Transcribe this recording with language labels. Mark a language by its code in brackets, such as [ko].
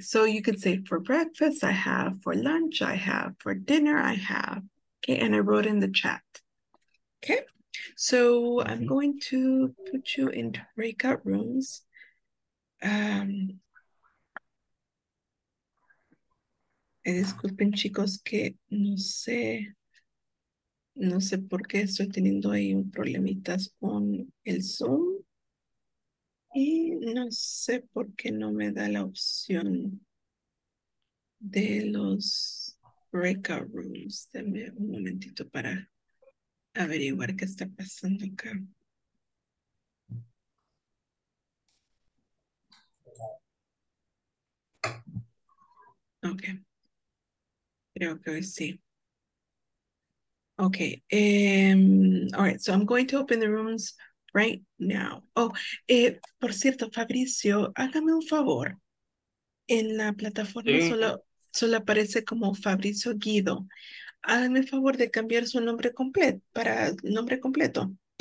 [en] So you could say for breakfast, I have, for lunch, I have, for dinner, I have. Okay. And I wrote in the chat. Okay. So I'm going to put you in breakout rooms. [es] Disculpen, chicos, que no sé por qué estoy teniendo ahí un problemitas con el Zoom. Y no sé por qué no me da la opción de los breakout rooms. Denme un momentito para averiguar qué está pasando acá. Okay. Creo que hoy sí. Okay. [en] All right. So I'm going to open the rooms right now. [es] Por cierto, Fabricio, hágame un favor. En la plataforma solo aparece como Fabricio Guido. Hágame el favor de cambiar su nombre completo para nombre completo.